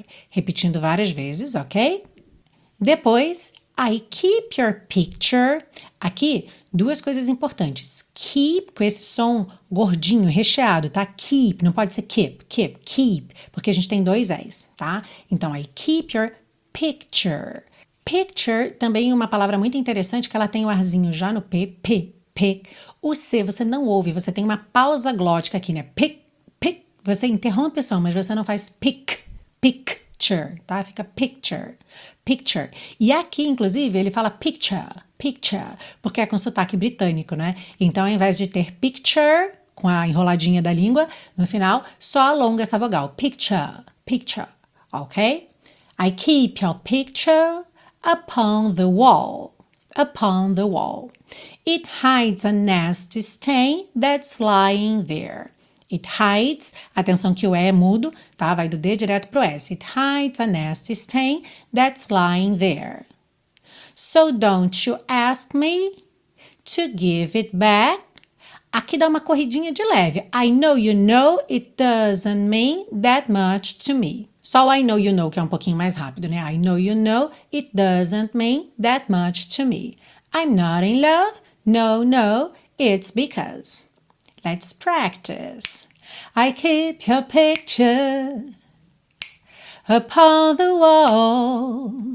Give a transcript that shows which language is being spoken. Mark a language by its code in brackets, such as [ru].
[pt] Repetindo várias vezes, ok? Depois, [en] I keep your picture. [pt] Aqui, duas coisas importantes. Keep, com esse som gordinho, recheado, tá? Keep, não pode ser keep. Porque a gente tem dois S, tá? Então, [en] I keep your picture. [pt] Picture também é uma palavra muito interessante, que ela tem o um arzinho já no P, P, P. O C você não ouve, você tem uma pausa glótica aqui, né? Pick, pick. Você interrompe só, mas você não faz pick, picture, tá? Fica picture, picture. E aqui, inclusive, ele fala picture, picture, porque é com sotaque britânico, né? Então, ao invés de ter picture, com a enroladinha da língua, no final, só alonga essa vogal. Picture, picture, ok? [en] I keep your picture upon the wall, upon the wall. It hides a nasty stain that's lying there. It hides, [pt] atenção que o E é mudo, tá? Vai do D direto pro S. [en] It hides a nasty stain that's lying there. So don't you ask me to give it back. [pt] Aqui dá uma corridinha de leve. [en] I know you know it doesn't mean that much to me. [pt] Só o [en] I know you know, [pt] que é um pouquinho mais rápido, né? [en] I know you know it doesn't mean that much to me. I'm not in love. No, no, it's because. Let's practice. I keep your picture upon the wall.